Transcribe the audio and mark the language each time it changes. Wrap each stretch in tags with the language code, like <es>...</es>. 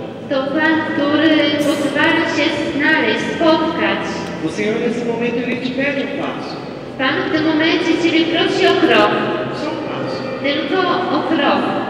<pl>to Pan, który pozwala się znaleźć, spotkać.</pl> <pt>O Senhor, nesse momento, ele te pede passo.</pt> <pl>Pan w tym momencie Ciebie prosi o krok. Tylko o krok.</pl>